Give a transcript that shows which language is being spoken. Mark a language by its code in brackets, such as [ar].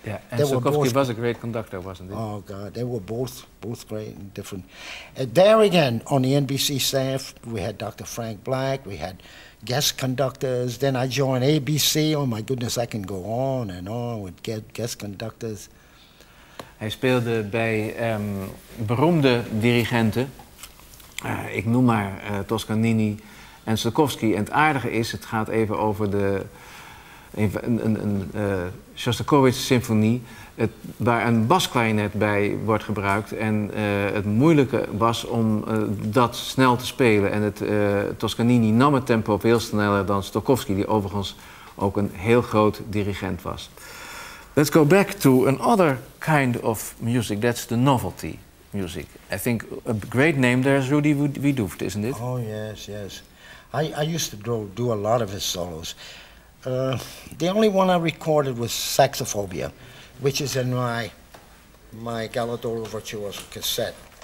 [en] Yeah, and Stokowski was a great conductor, wasn't he? Oh, God, they were both great and different. There again, on the NBC staff, we had Dr. Frank Black, we had guest conductors. Then I joined ABC. Oh, my goodness, I can go on and on with guest conductors. [nl] Hij speelde bij beroemde dirigenten. Ik noem maar Toscanini. En Stokowski, en het aardige is, het gaat even over de een Shostakovich-symfonie, waar een basklarinet bij wordt gebruikt. En het moeilijke was om dat snel te spelen. En Toscanini nam het tempo veel sneller dan Stokowski, die overigens ook een heel groot dirigent was. [en] Let's go back to another kind of music, that's the novelty music. I think a great name there is Rudy Vidoeft, isn't it? Oh, yes, yes. I used to do a lot of his solos. The only one I recorded was Saxophobia, which is in my Galadoro Virtuoso cassette.